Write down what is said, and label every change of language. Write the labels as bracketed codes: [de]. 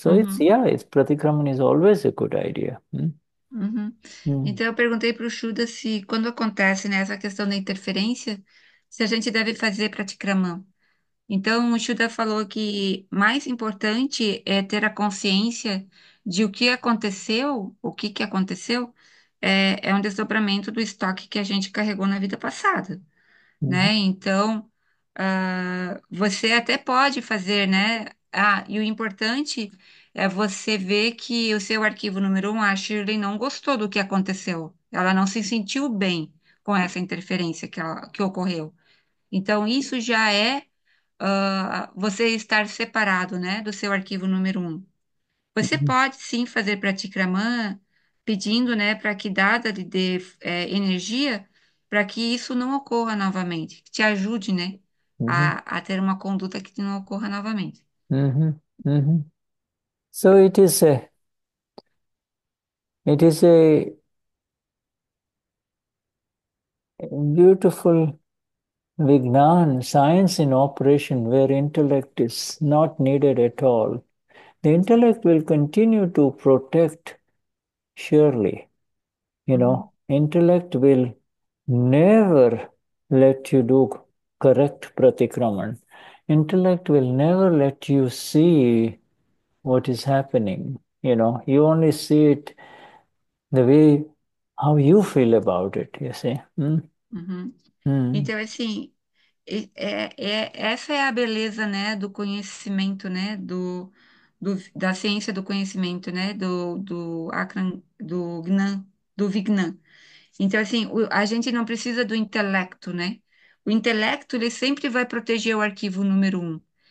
[en] So, it's pratikraman is always a good idea. [pt] Então, eu perguntei para o Shuda se, quando acontece, né, essa questão da interferência, se a gente deve fazer pratikraman. Então, o Shuda falou que mais importante é ter a consciência de o que aconteceu, o que que aconteceu, é um desdobramento do estoque que a gente carregou na vida passada, né? Então, você até pode fazer, né? Ah, e o importante é você ver que o seu arquivo número 1, a Shirley, não gostou do que aconteceu. Ela não se sentiu bem com essa interferência que ocorreu. Então, isso já é você estar separado, né, do seu arquivo número 1. Você pode sim fazer pratikraman pedindo, né, para que Dada lhe dê energia para que isso não ocorra novamente, que te ajude, né, a ter uma conduta que não ocorra novamente. [en] So it is a beautiful Vignan, science in operation, where intellect is not needed at all. The intellect will continue to protect surely. You know, intellect will never let you do correct pratikraman. Intellect will never let you see what is happening. You know, you only see it the way how you feel about it, you see. [pt] Então, assim, essa é a beleza, né, do conhecimento, né, da ciência do conhecimento, né, do Akram, do Gnan, do Vignan. Então, assim, a gente não precisa do intelecto, né? O intelecto, ele sempre vai proteger o arquivo número 1.